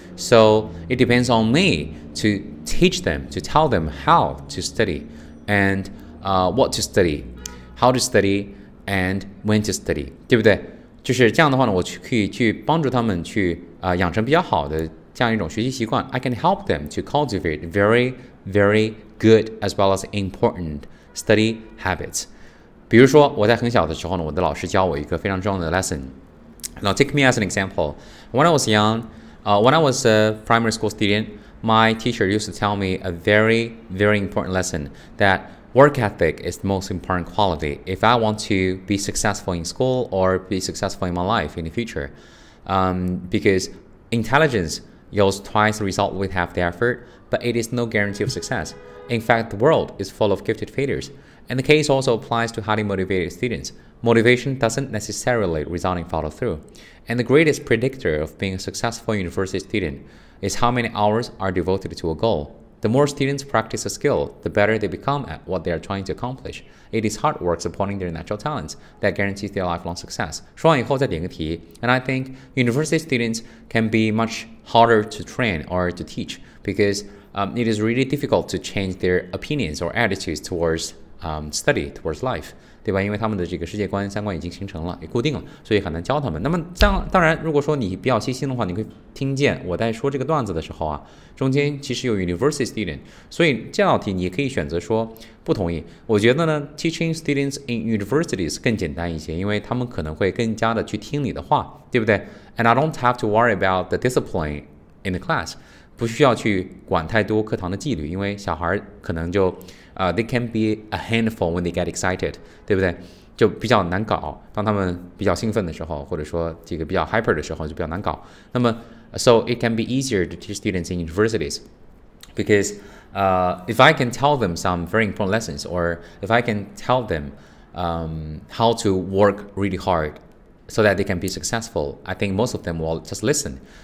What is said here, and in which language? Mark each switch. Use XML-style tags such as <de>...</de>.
<en>So it depends on me to teach them, to tell them how to study and what to study, how to study and when to study,</en> <zh>对不对？就是这样的话呢，我可以去帮助他们去养成比较好的这样一种学习习惯。</zh> <en>I can help them to cultivate very, very good as well as important study habits.</en> <zh>比如说我在很小的时候呢，我的老师教我一个非常重要的 lesson。</zh> <en>Now take me as an example. When I was young, when I was a primary school student, my teacher used to tell me a very, very important lesson that work ethic is the most important quality if I want to be successful in school or be successful in my life in the future. Because intelligence yields twice the result with half the effort, but it is no guarantee of success. In fact, the world is full of gifted failures. And the case also applies to highly motivated students. Motivation doesn't necessarily result in follow through. And the greatest predictor of being a successful university student is how many hours are devoted to a goal. The more students practice a skill, the better they become at what they are trying to accomplish. It is hard work supporting their natural talents that guarantees their lifelong success.</en> <zh>说完以后再点个题</zh> <en>And I think university students can be much harder to train or to teach because, it is really difficult to change their opinions or attitudes towards, study, towards life.</en> <zh>对吧？因为他们的这个世界观、三观已经形成了，也固定了，所以很难教他们。那么这样，当然，如果说你比较细心的话，你会听见我在说这个段子的时候啊，中间其实有 university student， 所以这道题你可以选择说不同意。我觉得呢 ，</zh> <en>teaching students in universities</en> <zh>更简单一些，因为他们可能会更加的去听你的话，对不对 ？</zh> <en>And I don't have to worry about the discipline in the class，</en> <zh>不需要去管太多课堂的纪律，因为小孩可能就。</zh> <en>They can be a handful when they get excited,</en> <zh>对不对？就比较难搞，当他们比较兴奋的时候，或者说这个比较 hyper 的时候，就比较难搞。那么</zh> <en>，so it can be easier to teach students in universities, because if I can tell them some very important lessons, or if I can tell them how to work really hard so that they can be successful, I think most of them will just listen.</en>